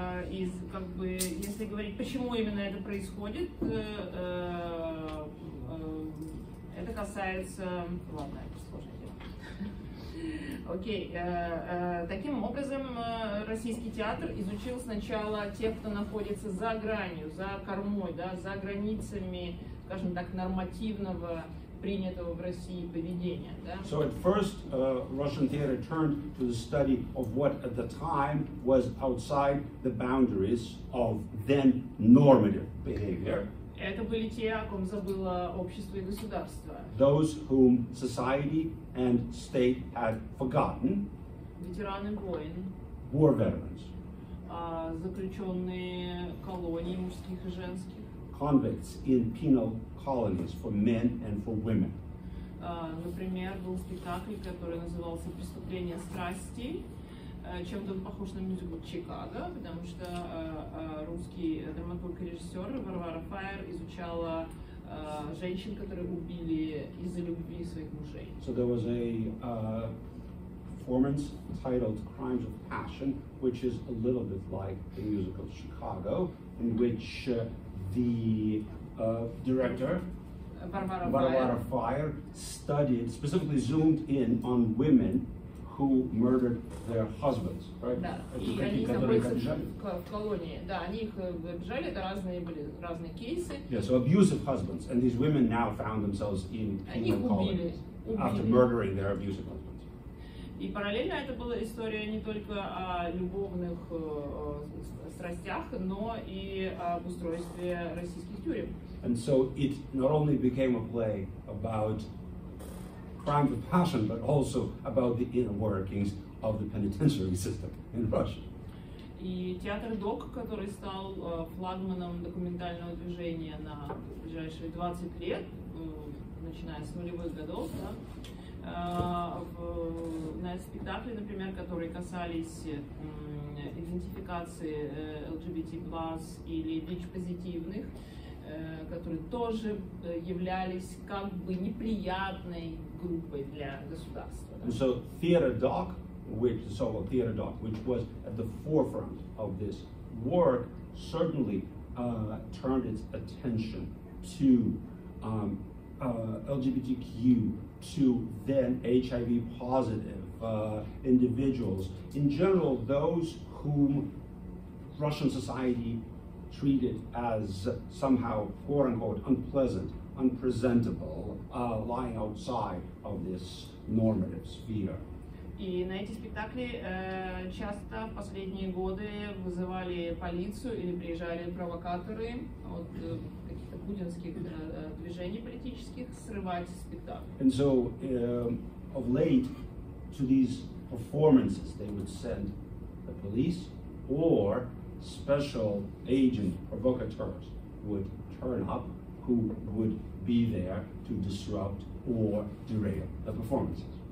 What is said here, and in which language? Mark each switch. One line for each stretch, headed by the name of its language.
Russian: Из как бы, если говорить, почему именно это происходит, это касается, ладно, это сложно. Окей, таким образом российский театр изучил сначала тех, кто находится за гранью, за кормой, да, за границами, скажем так, нормативного принятого в России поведения. Да?
English: So at first Russian theater turned to the study of what at the time was outside the boundaries of then normative behavior.
Russian: Это были те, о ком забыло общество и государство.
English: Those whom society and state had forgotten.
Russian: Ветераны войн.
English: War veterans.
Russian: Заключенные колонии мужских и женских.
English: Convicts in penal colonies for men and for women.
Russian: Например, был спектакль, который назывался «Преступление страсти». Чем-то он похож на мюзикл «Чикаго», потому что русский драматург и режиссер Варвара Файер изучала женщин, которые убили из-за любви своих мужей.
English: So there was a performance titled «Crimes of Passion», which is a little bit like the musical «Chicago», in which the director
Russian: Варвара
English: Файер studied, specifically zoomed in on women who murdered their husbands, right? Yeah, so abusive husbands, and these women now found themselves in penal colonies after murdering their abusive husbands.
Russian: И параллельно это была история не только о любовных страстях, но и об устройстве российских тюрем.
English: And so it not only became a play about crimes of passion, but also about the inner workings of the penitentiary system in Russia.
Russian: И театр ДОК, который стал флагманом документального движения на ближайшие 20 лет, начиная с нулевых годов, да, на спектакле, например, которые касались идентификации LGBT+, или ВИЧ-позитивных, которые тоже являлись как бы неприятной группой для государства.
English: And so Theater Doc, which the so-called Theater Doc, which was at the forefront of this work, certainly turned its attention to LGBTQ, to then HIV positive individuals, in general, those whom Russian society treated as somehow, quote unquote, unpleasant, unpresentable, lying outside of this normative sphere.
Russian: И на эти спектакли часто в последние годы вызывали полицию или приезжали провокаторы от каких-то путинских движений политических срывать спектакль.
English: And so, of late, to these performances, they would send the police or special agent provocateurs would turn up who would be there to disrupt or derail the performances.